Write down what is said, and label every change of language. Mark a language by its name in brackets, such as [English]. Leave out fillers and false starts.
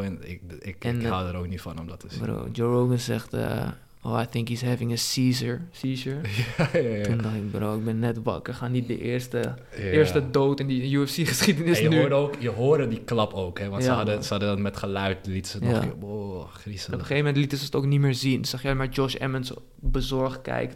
[Dutch] En ik hou er ook niet van om dat te zien. [English] Bro, Joe Rogan [Dutch] zegt, [English] I think he's having a seizure. [Dutch] Ja. Toen dacht ik, bro, ik ben net wakker. Ga niet de eerste dood in die UFC-geschiedenis nu. Je hoorde die klap ook, hè. Want ja, ze hadden dat met geluid, liet ze nog. Ja. Griezelig. Op een gegeven moment lieten ze het ook niet meer zien. Zag jij maar Josh Emmons bezorgd kijken.